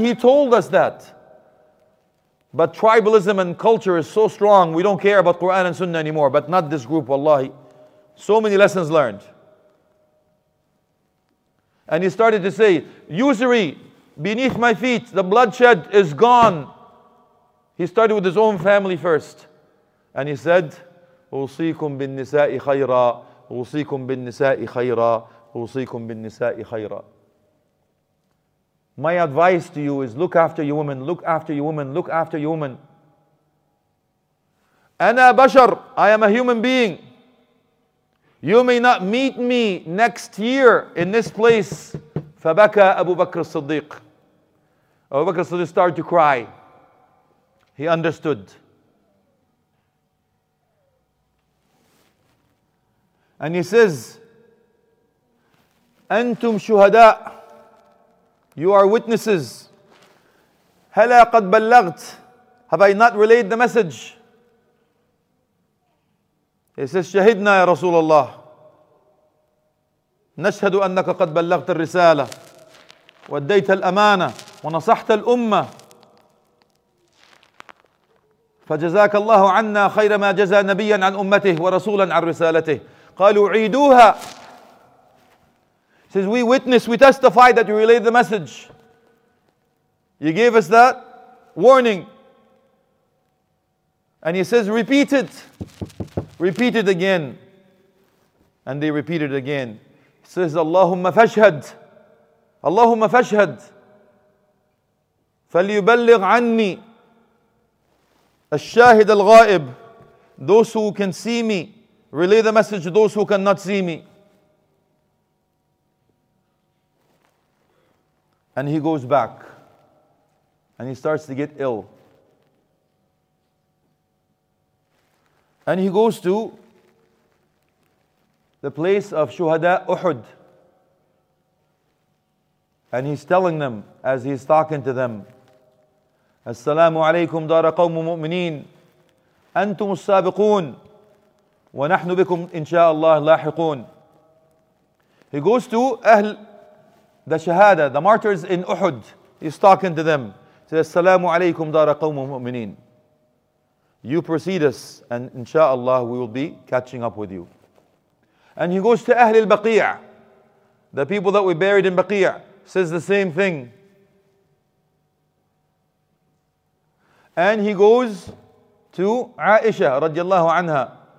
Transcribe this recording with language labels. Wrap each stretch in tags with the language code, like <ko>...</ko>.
<en>He told us that. But tribalism and culture is so strong, we don't care about Quran and Sunnah anymore, but not this group, wallahi. So many lessons learned. And he started to say, usury beneath my feet, the bloodshed is gone. He started with his own family first. And he said,</en> <ar>أوصيكم بالنساء خيرا, أوصيكم بالنساء خيرا, أوصيكم بالنساء خيرا.</ar> <en>My advice to you is look after your woman, look after your woman, look after your woman.</en> <ar>أنا بشر,</ar> <en>I am a human being. You may not meet me next year in this place.</en> <ar>فبكى أبو بكر الصديق.</ar> <en>Abu Bakr al-Siddiq started to cry. He understood. And he says,</en> <ar>أنتم شهداء.</ar> <en>You are witnesses.</en> <ar>هلا قد بلغت.</ar> <en>Have I not relayed the message? He says,</en> <ar>شهدنا يا رسول الله. نشهد أنك قد بلغت الرسالة. وديت الأمانة. ونصحت الأمة. فجزاك الله عنا خير ما جزى نبيا عن أمته ورسولا عن رسالته. قالوا عيدوها.</ar> <en>Says we witness, we testify that you relayed the message. You gave us that warning. And he says, repeat it. Repeat it again. And they repeated again. He says,</en> <ar>اللهم فاشهد. اللهم فاشهد. فليبلغ عني الشاهد الغائب.</ar> <en>Those who can see me, relay the message to those who cannot see me. And he goes back and he starts to get ill. And he goes to the place of Shuhada Uhud. And he's telling them as he's talking to them,</en> <ar>السلام عليكم دار قوم مؤمنين أنتم السابقون ونحن بكم إن شاء الله لاحقون.</ar> <en>He goes to أهل the Shahada, the martyrs in Uhud. He's talking to them. He says,</en> <ar>السلام عليكم دار قوم مؤمنين.</ar> <en>You precede us and إن شاء الله we will be catching up with you. And he goes to أهل البقيع, the people that we buried in بقيع, says the same thing. And he goes to Aisha radiallahu anha.</en>